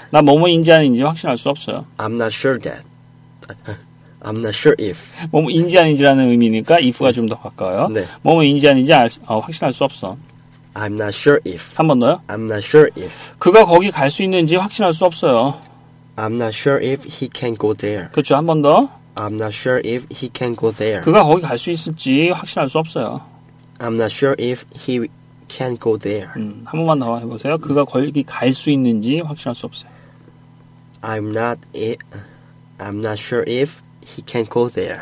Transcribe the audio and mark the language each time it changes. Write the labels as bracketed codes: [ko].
[ko] 나 뭐뭐인지 아닌지 확신할 수 없어요. [en] I'm not sure that. I'm not sure if. [ko] 뭐뭐인지 아닌지라는 의미니까 if가 좀 더 가까워요. 네. 뭐뭐인지 아닌지 확신할 수 없어. [en] I'm not sure if. [ko] 한 번 더요. [en] I'm not sure if. [ko] 그가 거기 갈 수 있는지 확신할 수 없어요. [en] I'm not sure if he can go there. [ko] 그렇죠. 한 번 더. [en] I'm not sure if he can go there. [ko] 그가 거기 갈 수 있을지 확신할 수 없어요. [en] I'm not sure if he can go there. [ko] 한 번만 더 해보세요. 그가 거기 갈 수 있는지 확신할 수 없어요. [en] I'm not sure if he can go there.